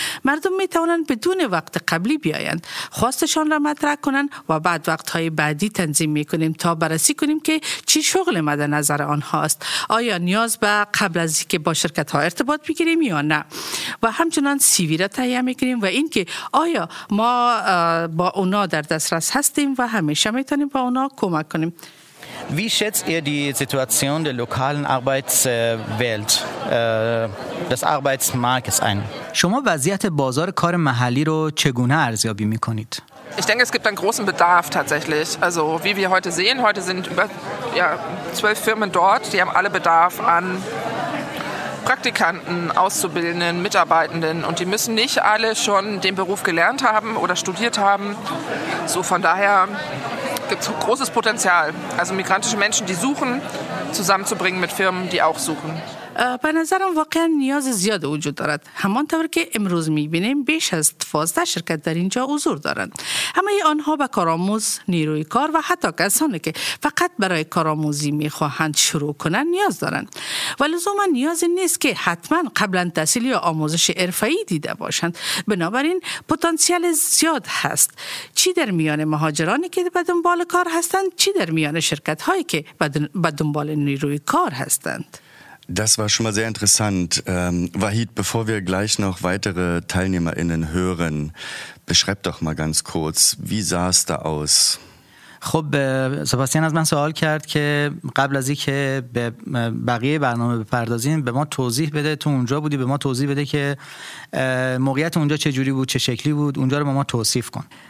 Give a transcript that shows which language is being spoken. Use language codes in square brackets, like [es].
[fa] مردم می توانند بدون وقت قبلی بیایند، خواستشان را مطرح کنند و بعد وقت های بعدی تنظیم می کنیم تا بررسی کنیم که چی شغل مد نظر آنها است، آیا نیاز به قبل از اینکه با شرکت ها ارتباط بگیریم یا نه، و همچنان سی وی را تهیه می کنیم و اینکه آیا ما با اونا در دسترس هستیم و همیشه می توانیم با اونا کمک کنیم. [de] Wie schätzt ihr die Situation der lokalen Arbeitswelt, des Arbeitsmarktes ein? [fa] شما وضعیت بازار کار محلی رو چگونه ارزیابی میکنید؟ [de] Ich denke, es gibt einen großen Bedarf tatsächlich. Also wie wir heute sehen, heute sind über 12 Firmen dort, die haben alle Bedarf an Praktikanten, Auszubildenden, Mitarbeitenden, und die müssen nicht alle schon den Beruf gelernt haben oder studiert haben. So von daher gibt es großes Potenzial, also migrantische Menschen, die suchen, zusammenzubringen mit Firmen, die auch suchen. [fa] به نظرم واقعا نیاز زیاد وجود دارد. همانطور که امروز میبینیم بیش از 12 شرکت در اینجا حضور دارند. همه ای آنها به کارآموز، نیروی کار و حتی کسانی که فقط برای کارآموزی میخواهند شروع کنند نیاز دارند. ولی لزوما نیازی نیست که حتما قبلا تحصیل یا آموزش حرفه‌ای دیده باشند. بنابراین پتانسیل زیاد هست. چی در میان مهاجرانی که به دنبال کار هستند، چی در میان شرکت هایی که به دنبال نیروی کار هستند. [de] Das war schon mal sehr interessant. Wahid, bevor wir gleich noch weitere TeilnehmerInnen hören, beschreib doch mal ganz kurz, wie sah es da aus? [fa] خب سباستین از من سوال کرد که قبل از اینکه به بقیه برنامه بپردازیم به ما توضیح بده، تو اونجا بودی، به ما توضیح بده که موقعیت اونجا چه جوری بود، چه شکلی بود، اونجا رو به ما توصیف کن.